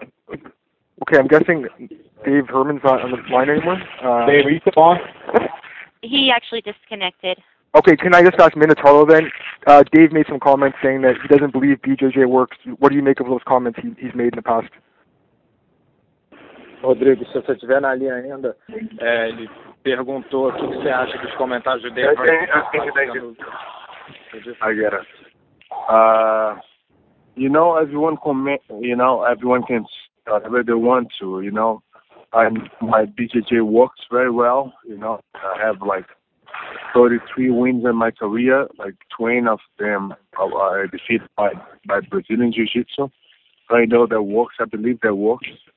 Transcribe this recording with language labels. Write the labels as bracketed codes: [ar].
[en] Okay, I'm guessing Dave Herman's not on the line anymore. Dave, are you still on? He actually disconnected. Okay, can I just ask Minotaro then? Dave made some comments saying that he doesn't believe BJJ works. What do you make of those comments he's made in the past? [pt] Rodrigo, se você estiver na linha ainda, ele perguntou o que você acha dos comentários do Dave. [en] I get it. You know, everyone can whatever they want to, you know. My BJJ works very well, you know. I have like 33 wins in my career, like 20 of them are defeated by Brazilian Jiu-Jitsu. I know that works. I believe that works.